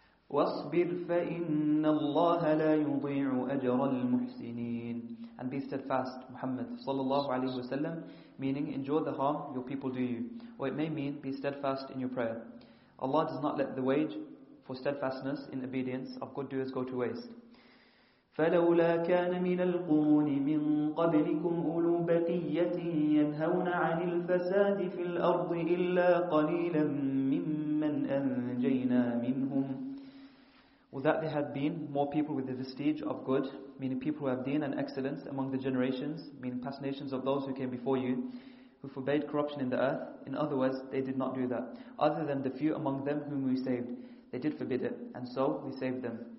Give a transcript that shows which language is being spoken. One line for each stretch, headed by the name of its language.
Arabic: وَاصْبِرْ فَإِنَّ اللَّهَ لَا يُضِيعُ أَجْرَ الْمُحْسِنِينَ.
English: and be steadfast, Muhammad sallallahu alayhi wasallam, meaning endure the harm your people do you. Or it may mean be steadfast in your prayer. Allah does not let the wage for steadfastness in obedience of good doers go to waste.
Arabic: فلولا كان من القرون من قبلكم أولو بقية ينهون عن الفساد في الأرض إلا قليلا ممن أنجينا منهم.
English: Would that there had been more people with the vestige of good, meaning people who have deen and excellence among the generations, meaning past nations of those who came before you, who forbade corruption in the earth. In other words, they did not do that, other than the few among them whom we saved. They did forbid it, and so we saved them.